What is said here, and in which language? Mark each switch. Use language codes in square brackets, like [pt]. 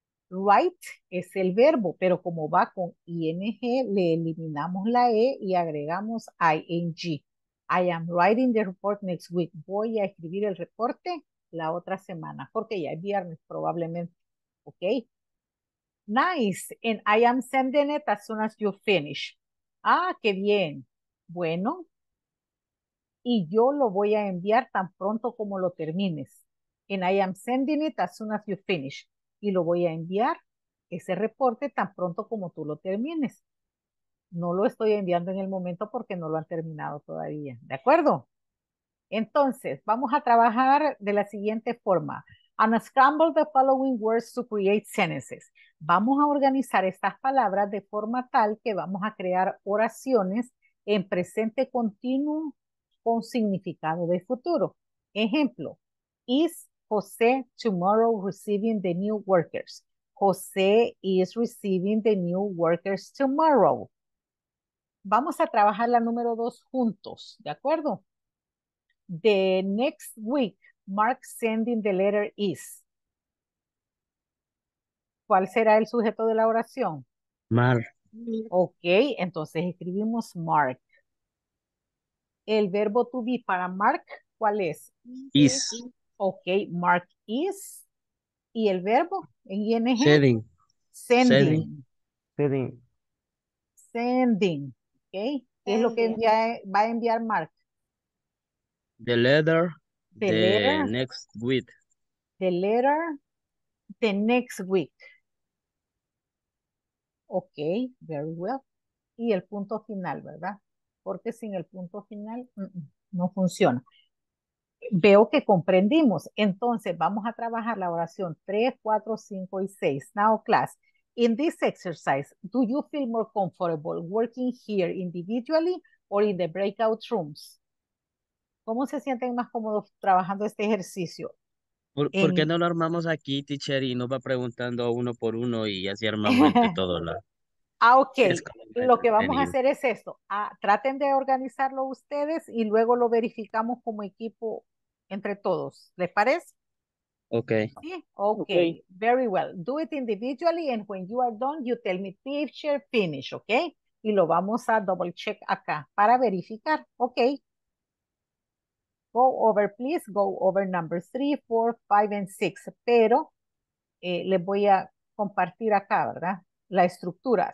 [es] Write es el verbo, pero como va con ing, le eliminamos la e y agregamos ing. [en] I am writing the report next week. [es] Voy a escribir el reporte la otra semana, porque ya es viernes probablemente, ¿ok? [en] Nice, and I am sending it as soon as you finish. [es] Ah, qué bien. Bueno, y yo lo voy a enviar tan pronto como lo termines. [en] And I am sending it as soon as you finish. [es] Y lo voy a enviar, ese reporte, tan pronto como tú lo termines. No lo estoy enviando en el momento porque no lo han terminado todavía. ¿De acuerdo? Entonces, vamos a trabajar de la siguiente forma. [en] Unscramble the following words to create sentences. [es] Vamos a organizar estas palabras de forma tal que vamos a crear oraciones en presente continuo con significado de futuro. [en] Ejemplo, is José tomorrow receiving the new workers? José is receiving the new workers tomorrow. [es] Vamos a trabajar la número dos juntos, ¿de acuerdo? [en] The next week, Mark sending the letter is. [es] ¿Cuál será el sujeto de la oración? [en] Mark. [es] Ok, entonces escribimos Mark. El verbo to be para Mark, ¿cuál es? [en] Is. [es] Ok, Mark is. ¿Y el verbo en ING? [en] Sending. Sending. Sending. Sending. [es] Ok, ¿qué sending es lo que envía, va a enviar Mark? [en] The letter. The letter, next week. The letter, the next week. Ok, very well. [es] Y el punto final, ¿verdad? Porque sin el punto final no funciona. Veo que comprendimos. Entonces, vamos a trabajar la oración 3, 4, 5 y 6. [en] Now, class, in this exercise, do you feel more comfortable working here individually or in the breakout rooms? [es] ¿Cómo se sienten más cómodos trabajando este ejercicio? ¿Por qué no lo armamos aquí, teacher, y nos va preguntando uno por uno y así armamos entre todos? Ah, ok. Lo que vamos a hacer es esto. Traten de organizarlo ustedes y luego lo verificamos como equipo entre todos. ¿Les parece? Ok. [en] ¿Sí? Okay. Very well. Do it individually and when you are done, you tell me teacher finish, ok? [es] Y lo vamos a double check acá para verificar. Ok. [en] Go over, please. Go over numbers 3, 4, 5, and 6. [es] Pero les voy a compartir acá, ¿verdad? La estructura.